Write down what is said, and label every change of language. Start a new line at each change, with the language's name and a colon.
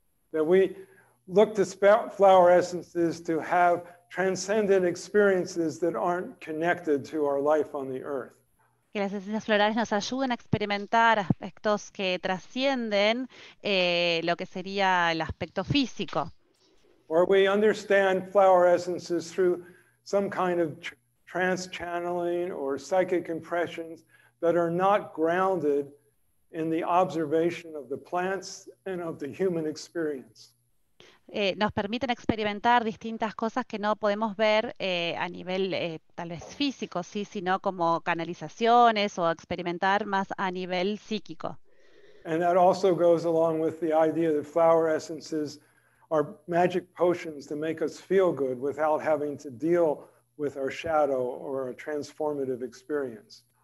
English: That we look to flower essences to have transcendent experiences that aren't connected to our life on the earth.
Spanish: Que las esencias florales nos ayuden a experimentar aspectos que trascienden lo que sería el aspecto físico.
English: Or we understand flower essences through some kind of trance channeling or psychic impressions that are not grounded in the observation of the plants and of the human experience.
Spanish: Nos permiten experimentar distintas cosas que no podemos ver a nivel tal vez físico, sí, sino como canalizaciones o experimentar más a nivel psíquico.
English: And that also goes along with the idea that flower essences are magic potions to make us feel good without having to deal with our shadow or a transformative experience.